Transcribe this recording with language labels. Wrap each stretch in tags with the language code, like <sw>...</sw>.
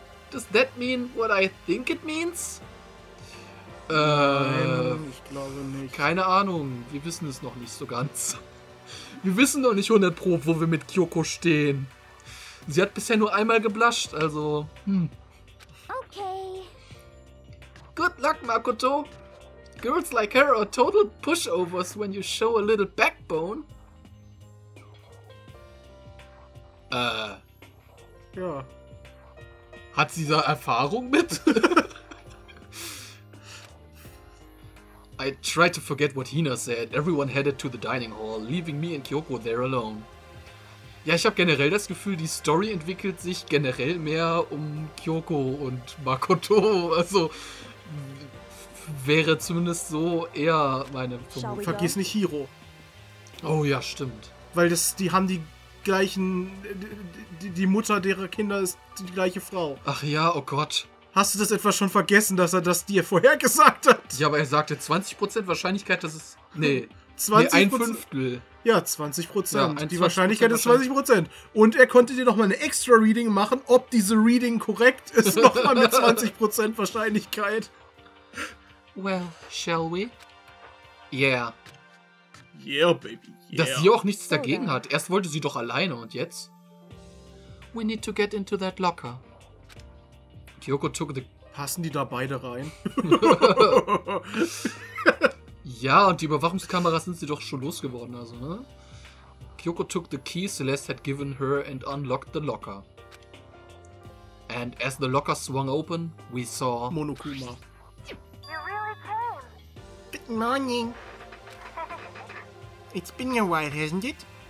<en>Does that mean what I think it means?</en> <de>Nein, ich glaube nicht. Keine Ahnung, wir wissen es noch nicht so ganz. Wir wissen noch nicht 100% wo wir mit Kyoko stehen. Sie hat bisher nur einmal geblasht, also... Okay.</de> <en>Good luck, Makoto. Girls like her are total pushovers when you show a little backbone.</en> <de>Ja. Hat sie da Erfahrung mit?</de> <en>I tried to forget what Hina said. Everyone headed to the dining hall, leaving me and Kyoko there alone.</en> <de>Ja, ich habe generell das Gefühl, die Story entwickelt sich generell mehr um Kyoko und Makoto. Also wäre zumindest so eher meine Vermutung. Vergiss nicht Hiro. Oh ja, stimmt. Weil die haben die gleichen... Die Mutter derer Kinder ist die gleiche Frau. Ach ja, oh Gott. Hast du das etwa schon vergessen, dass er das dir vorhergesagt hat? Ja, aber er sagte 20% Wahrscheinlichkeit, dass es... Nee, 20%, ein Fünftel. Ja, 20%. Ja, die Wahrscheinlichkeit ist 20%. Und er konnte dir nochmal eine extra Reading machen, ob diese Reading korrekt ist, nochmal mit 20% Wahrscheinlichkeit.</de> <en>Well, shall we? Yeah. Yeah, baby, yeah.</en> <de>Dass sie auch nichts dagegen hat. Erst wollte sie doch alleine und jetzt?</de> <en>We need to get into that locker. Kyoko took the...</en> <de>Passen die da beide rein? Ja, und die Überwachungskameras sind sie doch schon losgeworden, also, ne?</de> <en>Kyoko took the key Celeste had given her and unlocked the locker. And as the locker swung open, we saw... Monokuma. You really came! Good morning! It's been a while, hasn't it?</en>